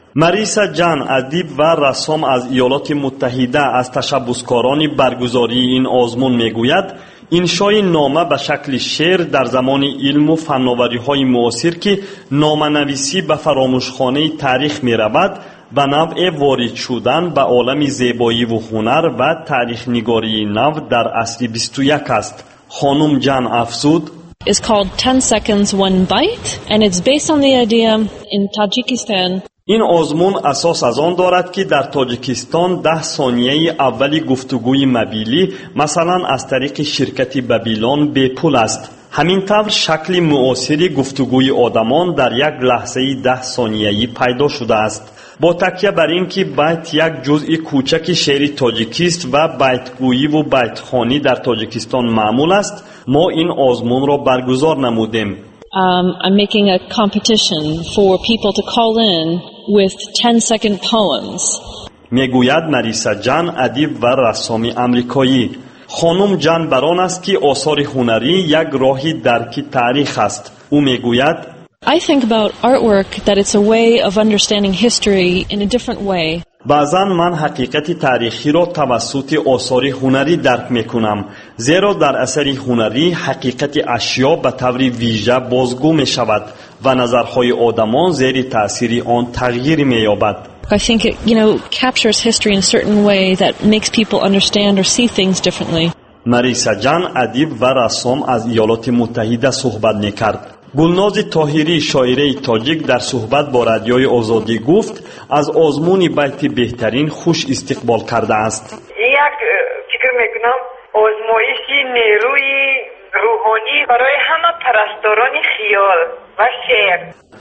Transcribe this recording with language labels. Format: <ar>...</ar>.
<fa>ماریسا جان، ادیب و رسام از ایالات متحده، از تشبسکاران برگزاری این آزمون می گوید، انشای نامه به شکل شعر در زمان علم و فناوری های معاصر که نامه نویسی به فراموشخانه تاریخ می رود، به نوع وارد شدن به عالم زیبایی و هنر و تاریخ نگاری نو در عصر 21 است. خانم جان افزود:</fa> <en>It's called 10 seconds one bite and it's based on the idea in Tajikistan.</en> <fa>این آزمون اساس از آن دارد که در تاجیکستان 10 ثانیه اولی گفتگوی موبایلی مثلا از طریق شرکت بابلون بی‌پول است. همین طور شکل معاصری گفتگوی آدمان در یک لحظه 10 ثانیه پیدا شده است. با تکیه بر این که بیت یک جزء کوچک شعر تاجیکی است و بیت‌گویی و بیت‌خوانی در تاجیکستان معمول است، ما این آزمون را برگزار نمودیم.</fa> <en>I'm making a competition for people to call in with 10 second poems.</en> <fa>میگوید ماریسا جان، ادیب و رسام آمریکایی. خانم جان بران است که آثار هنری یک راه درک تاریخ است. او میگوید:</fa> <en>I think about artwork that it's a way of understanding history in a different way.</en> <fa>بعضن من حقیقت تاریخی را توسط آثار هنری درک میکنم، زیرا در اثر هنری حقیقت اشیا به طور ویژه بازگو میشود و نظرهای آدمان زیر تاثیر آن تغییر مییابد.</fa> <en>I think it, you know, captures history in a certain way that makes people understand or see things differently.</en> <fa>ماریسا جان، ادیب و رسام از ایالات متحده صحبت میکرد. گلناز طاهری، شاعره تاجیک، در صحبت با رادیوی آزادی گفت از آزمون بیت بهترین خوش استقبال کرده است. یک فکر میکنم آزمایش نیروی روحانی برای همه پرستاران خیال و شعر.</fa>